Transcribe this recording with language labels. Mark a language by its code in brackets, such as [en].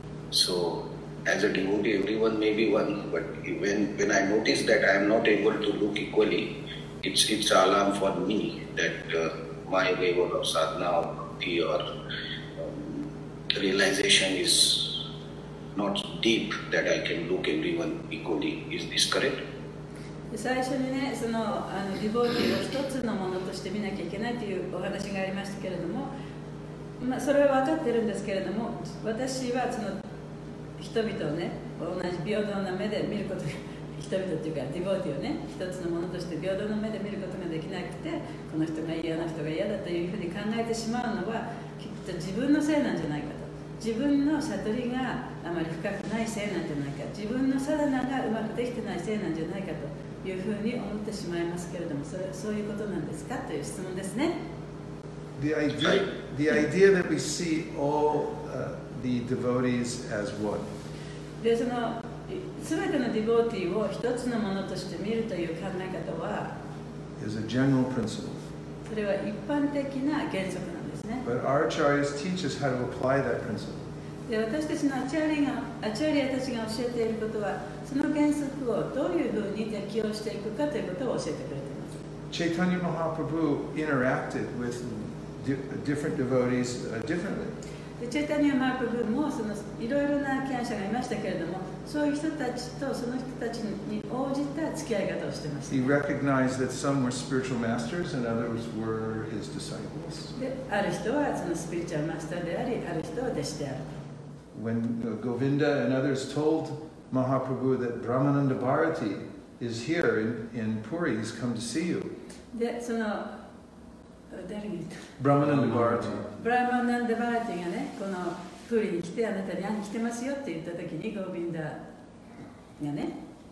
[en] So, as a devotee, everyone may be one, but when I notice that I am not able to look equally, it's an alarm for me that my level of sadhana or bhakti or realization is not deep that I can look everyone equally. Is this correct? [ja] 最初にね、その、 あのディボーティーを一つのものとして見なきゃいけないというお話がありましたけれども、まあ、それは分かってるんですけれども、私はその人々をね、同じ平等な目で見ることが、人々っていうかディボーティーをね、一つのものとして平等な目で見ることができなくて、この人が嫌な人が嫌だというふうに考えてしまうのは、きっと自分のせいなんじゃないかと。自分の悟りがあまり深くないせいなんじゃないか、自分のサダナがうまくできてないせいなんじゃないかというふうに思ってしまいますけれども、そういうことなんですかという質問ですね。 [en] The idea that we see all the devotees as one. [ja] で、その、すべてのディボーティーを一つのものとして見るという考え方は、 [en] is a general principle. [ja] それは一般的な原則なんです。 [en] But our acharyas teach us how to apply that principle. [ja] で、私たちのアチャリアたちが教えていることは、その原則をどういうふうに適用していくかということを教えてくれています。 [en] Chaitanya Mahaprabhu interacted with different devotees differently. [ja] で、Chaitanya Mahaprabhu もそのいろいろな賢者がいましたけれども、そういう人たちとその人たちに応じた付き合い方をしてました。 [en] He recognized that some were spiritual masters and others were his disciples. [ja] ある人はそのスピリチュアルマスターであり、ある人は弟子である。 [en] When Govinda and others told Mahaprabhu that Brahmananda Bharati is here in Puri, he's come to see you. [ja] で、その誰に Brahmananda Bharati. Brahmananda Bharati がね、このプリに来てあなたに会いに来てますよって言ったときにゴビンダがね。